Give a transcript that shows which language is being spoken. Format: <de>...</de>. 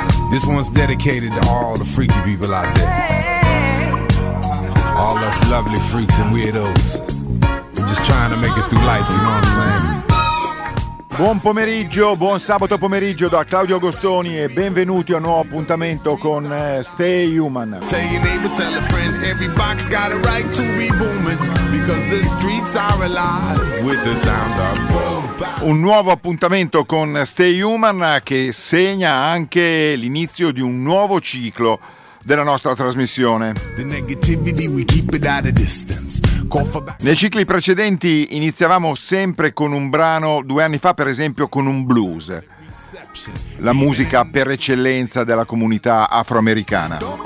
<en>This one's dedicated to all the freaky people out there. All us lovely freaks and weirdos. We're just trying to make it through life, you know what I'm saying?</en> <it>Buon pomeriggio, buon sabato pomeriggio da Claudio Agostoni e benvenuti a un nuovo appuntamento con Stay Human.</it> <en>Tell your neighbor, tell a friend, every box got a right to be booming, because the streets are alive with the sound of boom.</en> <it>Un nuovo appuntamento con Stay Human che segna anche l'inizio di un nuovo ciclo della nostra trasmissione. Nei cicli precedenti iniziavamo sempre con un brano, due anni fa per esempio con un blues, la musica per eccellenza della comunità afroamericana.</it>